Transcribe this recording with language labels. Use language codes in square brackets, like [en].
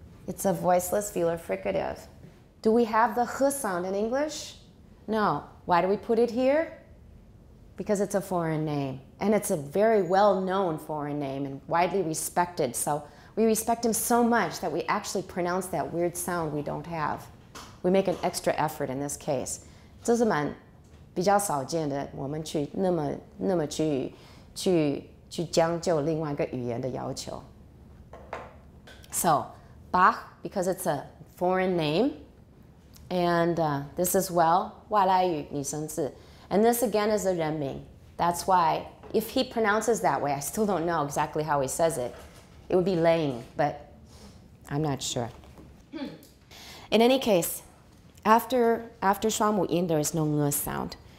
[en] It's a voiceless velar fricative. Do we have the h sound in English? No. Why do we put it here? Because it's a foreign name, and it's a very well-known foreign name and widely respected, so We respect him so much that we actually pronounce that weird sound we don't have. We make an extra effort in this case. [zh] 这是蛮比较少见的，我们去那么去将就另外一个语言的要求。 [en] So, Bach, because it's a foreign name, and this as well, [zh] 外来语拟声字。 [en] And this again is a 人名.That's why if he pronounces that way, I still don't know exactly how he says it. It would be Lane, but I'm not sure. In any case, after 双母音, there is no ng sound.